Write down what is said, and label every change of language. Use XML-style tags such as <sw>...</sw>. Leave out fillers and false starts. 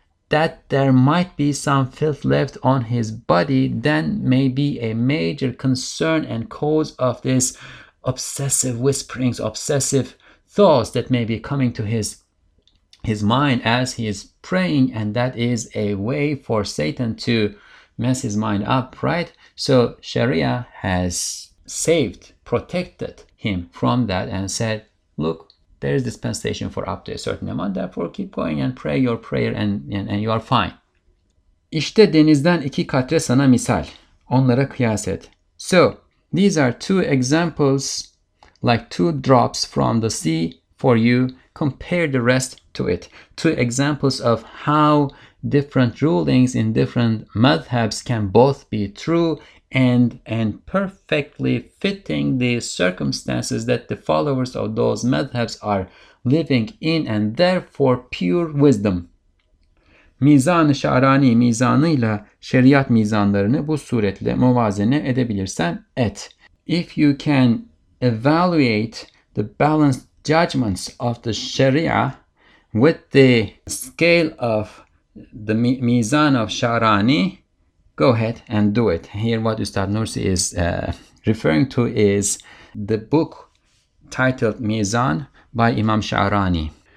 <en>that there might be some filth left on his body then may be a major concern and cause of this obsessive whisperings, obsessive thoughts that may be coming to his mind as he is praying, and that is a way for Satan to mess his mind up, right? So Sharia has saved, protected him from that and said, look, there is dispensation for up to a certain amount, therefore keep going and pray your prayer and you are fine.</en> <tr>İşte denizden iki katre sana misal, onlara kıyas et.</tr> <en>So these are two examples, like two drops from the sea for you, compare the rest to it. Two examples of how different rulings in different madhabs can both be true and perfectly fitting the circumstances that the followers of those madhabs are living in, and therefore pure wisdom.</en> <tr>Mizan-ı Şarani mizanıyla şeriat mizanlarını bu suretle muvazene edebilirsen et.</tr> <en>If you can evaluate the balanced judgments of the Sharia with the scale of the mizan of Şarani, go ahead and do it. Here what Üstad Nursi is referring to is the book titled Mizan by Imam Şarani.</en>